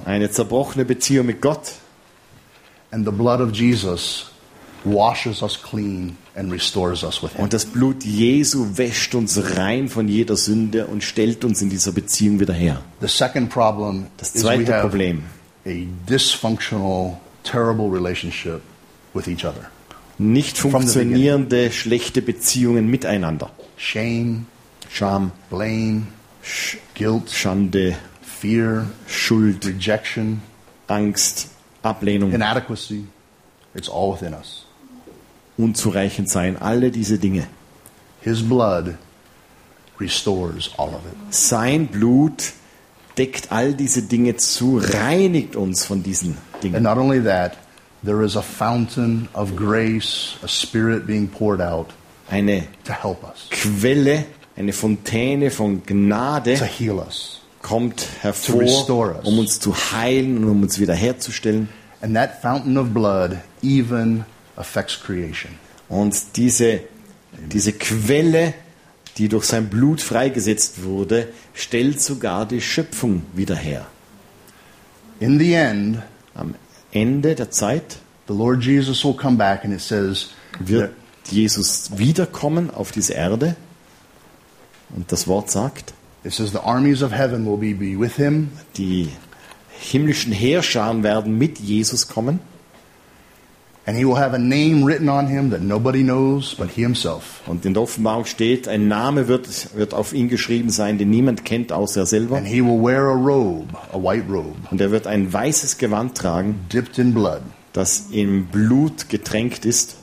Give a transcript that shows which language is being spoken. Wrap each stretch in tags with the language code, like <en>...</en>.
<de>Eine zerbrochene Beziehung mit Gott.</de> <en>And the blood of Jesus washes us clean and restores us with him.</en> <de>Und das Blut Jesu wäscht uns rein von jeder Sünde und stellt uns in dieser Beziehung wieder her.</de> <en>The second problem,</en> <de>das zweite Problem,</de> <en>a dysfunctional, terrible relationship with each other.</en> <de>Nicht funktionierende schlechte Beziehungen miteinander.</de> <en>Shame,</en> <de>Scham,</de> <en>blame, guilt,</en> <de>Schande,</de> <en>fear,</en> <de>Schuld,</de> <en>rejection,</en> <de>Angst, Ablehnung.</de> <en>Inadequacy, it's all within us.</en> <de>Unzureichend sein, alle diese Dinge.</de> <en>His blood restores all of it.</en> <de>Sein Blut deckt all diese Dinge zu, reinigt uns von diesen Dingen.</de> <en>And not only that, there is a fountain of grace, a spirit being poured out,</en> <de>eine</de> <en>to help us.</en> <de>Quelle, eine Fontäne von Gnade.</de> <en>To heal us.</en> <de>Kommt hervor, um uns zu heilen und um uns wiederherzustellen.</de> <en>And that fountain of blood even affects creation.</en> <de>Und diese Quelle, die durch sein Blut freigesetzt wurde, stellt sogar die Schöpfung wieder her.</de> <en>In the end,</en> <de>am Ende der Zeit,</de> <en>the Lord Jesus will come back, and it says,</en> <de>wird Jesus wiederkommen auf diese Erde. Und das Wort sagt,</de> <en>it says the armies of heaven will be with him.</en> <de>Die himmlischen Heerscharen werden mit Jesus kommen.</de> <en>And he will have a name written on him that nobody knows but he himself.</en> <de>Und in der Offenbarung steht, ein Name wird auf ihn geschrieben sein, den niemand kennt außer er selber.</de> <en>And he will wear a robe, a white robe.</en> <de>Und wird ein weißes Gewand tragen,</de> <en>dipped in blood,</en> <de>das im Blut getränkt ist.</de>